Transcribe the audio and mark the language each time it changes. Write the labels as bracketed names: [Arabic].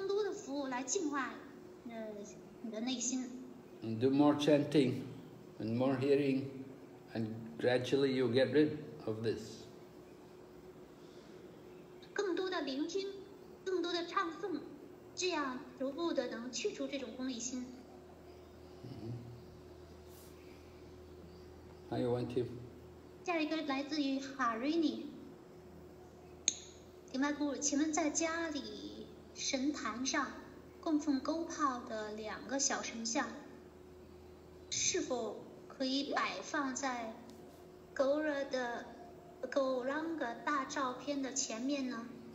[Chinese] 你需要做更多的服务来净化你的内心。 [English] And do more chanting and more hearing, and gradually you'll get rid of this. [Chinese] 更多的聆听，更多的唱诵，这样逐步的能去除这种功利心。还有问题？下一个来自于 Harini， 你们姑，请问在家里神坛上供奉勾炮的两个小神像，是否可以摆放在勾勒的勾朗格大照片的前面呢？